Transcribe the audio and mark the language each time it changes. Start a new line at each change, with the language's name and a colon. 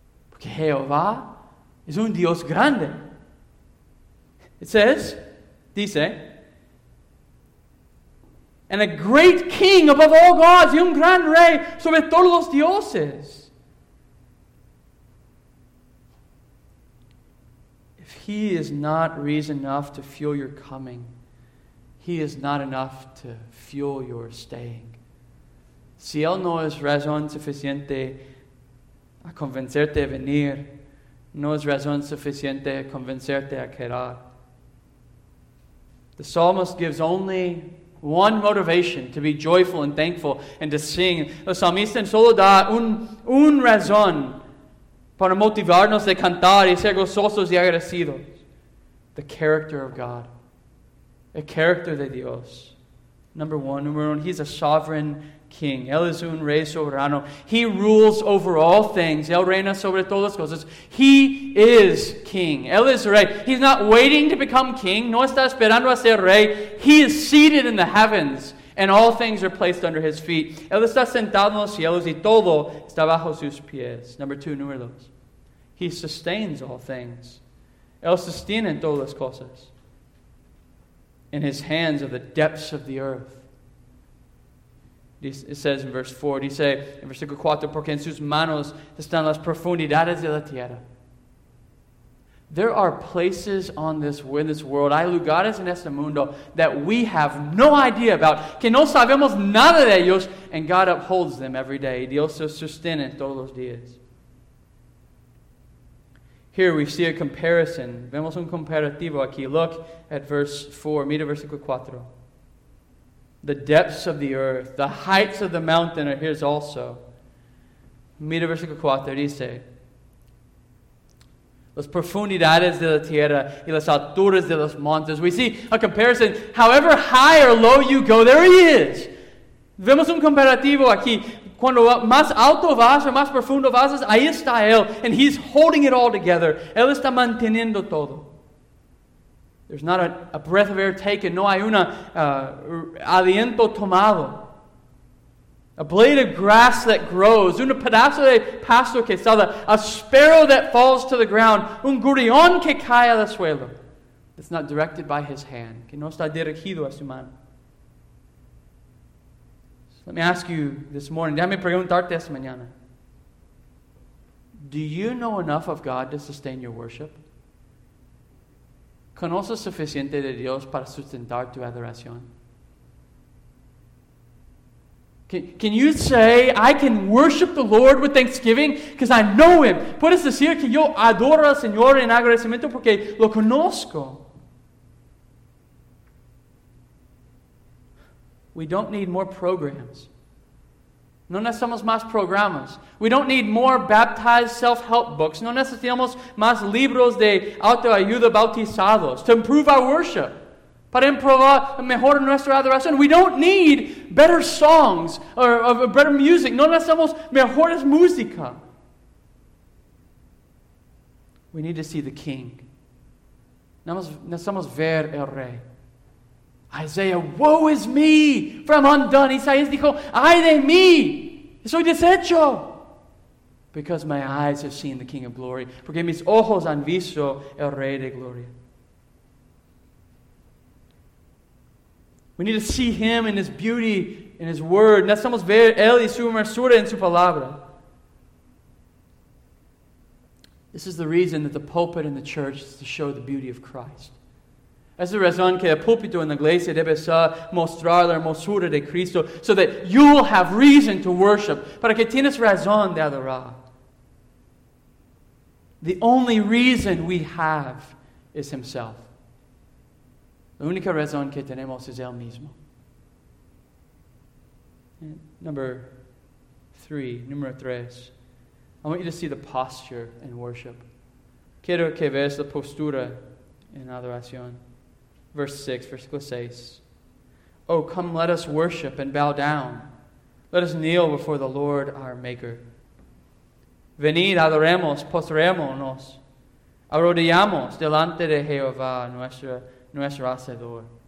Spanish: Porque Jehová es un Dios grande.
English: It says,
Spanish: dice,
English: and a great king above all gods,
Spanish: y un gran rey sobre todos los dioses.
English: If He is not reason enough to fuel your coming, He is not enough to fuel your staying.
Spanish: Si Él no es razón suficiente a convencerte a venir, no es razón suficiente a convencerte a quedar.
English: The psalmist gives only one motivation to be joyful and thankful and to sing.
Spanish: El salmista solo da un razón para motivarnos de cantar y ser gozosos y agradecidos.
English: The character of God.
Spanish: El carácter de Dios. Número uno,
English: He's a sovereign king.
Spanish: Él es un rey soberano.
English: He rules over all things.
Spanish: Él reina sobre todas las cosas.
English: He is king.
Spanish: Él es rey.
English: He's not waiting to become king.
Spanish: No está esperando a ser rey.
English: He is seated in the heavens, and all things are placed under His feet.
Spanish: Él está sentado en los cielos, y todo está bajo sus pies.
English: Número dos. He sustains all things.
Spanish: Él sostiene todas las cosas.
English: In His hands are the depths of the earth. It says in verse 4,
Spanish: dice, en versículo 4, porque en sus manos están las profundidades de la tierra.
English: There are places in this world,
Spanish: hay lugares en este mundo
English: that we have no idea about,
Spanish: que no sabemos nada de ellos,
English: and God upholds them every day.
Spanish: Dios los sostiene todos los días.
English: Here we see a comparison.
Spanish: Vemos un comparativo aquí.
English: Look at verse 4.
Spanish: Mira versículo 4.
English: The depths of the earth, the heights of the mountain are His also.
Spanish: Mira versículo 4. Dice, las profundidades de la tierra y las alturas de los montes.
English: We see a comparison. However high or low you go, there He is.
Spanish: Vemos un comparativo aquí. Cuando más alto vas o más profundo vas, ahí está Él.
English: And He's holding it all together.
Spanish: Él está manteniendo todo.
English: There's not a breath of air taken.
Spanish: No hay un aliento tomado.
English: A blade of grass that grows.
Spanish: Un pedazo de pasto que sale.
English: A sparrow that falls to the ground.
Spanish: Un gurión que cae al suelo.
English: It's not directed by His hand.
Spanish: Que no está dirigido a su mano.
English: Let me ask you this morning.
Spanish: Déjame preguntarte esta mañana.
English: Do you know enough of God to sustain your worship?
Spanish: ¿Conoces suficiente de Dios para sustentar tu adoración?
English: Can you say, I can worship the Lord with thanksgiving because I know Him?
Spanish: ¿Puedes decir que yo adoro al Señor en agradecimiento porque lo conozco?
English: We don't need more programs.
Spanish: No necesitamos más programas.
English: We don't need more baptized self-help books.
Spanish: No necesitamos más libros de autoayuda bautizados
English: to improve our worship.
Spanish: Para improvar mejor nuestra adoración.
English: We don't need better songs or better music.
Spanish: No necesitamos mejores música.
English: We need to see the King.
Spanish: Necesitamos ver el Rey.
English: Isaiah, woe is me, for I'm undone.
Spanish: Isaías dijo, ay de mí, soy deshecho.
English: Because my eyes have seen the King of Glory.
Spanish: Porque mis ojos han visto el Rey de Gloria.
English: We need to see Him in His beauty, in His Word.
Spanish: Necesitamos ver Él y su hermosura en su palabra.
English: This is the reason that the pulpit in the church is to show the beauty of Christ.
Spanish: Es la razón que el púlpito en la iglesia debe ser mostrar la hermosura de Cristo
English: so that you will have reason to worship.
Spanish: Para que tienes razón de adorar.
English: The only reason we have is Himself.
Spanish: La única razón que tenemos es Él mismo. Número tres.
English: I want you to see the posture in worship.
Spanish: Quiero que veas la postura en adoración. Versículo 6.
English: Oh, come, let us worship and bow down. Let us kneel before the Lord our Maker.
Spanish: Venid, adoremos, postrémonos. Arrodillamos delante de Jehová, nuestro Hacedor.